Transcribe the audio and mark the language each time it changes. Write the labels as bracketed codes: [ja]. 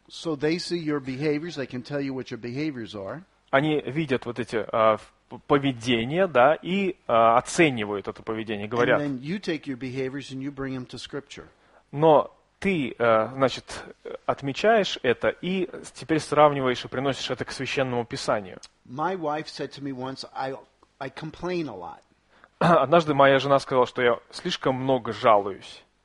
[en] So they see your behaviors, they can tell you what your behaviors are. [ru] Они видят вот эти поведение, да, и оценивают это поведение, говорят. [en] And then you take your behaviors and you bring them to scripture. [ru] Но ты, значит, отмечаешь это и теперь сравниваешь и приносишь это к Священному Писанию. [en] My wife said to me once, I complain a lot. [ru] Однажды моя жена сказала, что я слишком много жалуюсь.